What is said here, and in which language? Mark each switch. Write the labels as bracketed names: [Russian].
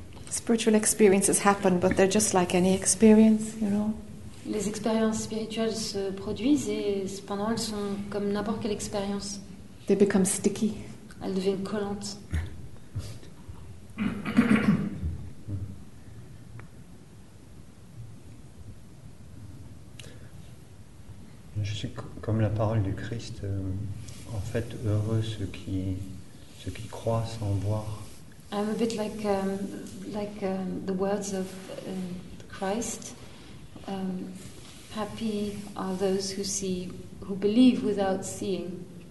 [English] Spiritual experiences happen, but they're just like any experience, you know. [French] Les expériences spirituelles se produisent et cependant elles sont comme n'importe quelle expérience. [English] They become sticky. [French] Elles deviennent collantes. Je suis comme la parole du Christ, en fait heureux ceux qui croient sans voir. [English] I'm a bit like the words of Christ. Happy are those who see, who believe without seeing.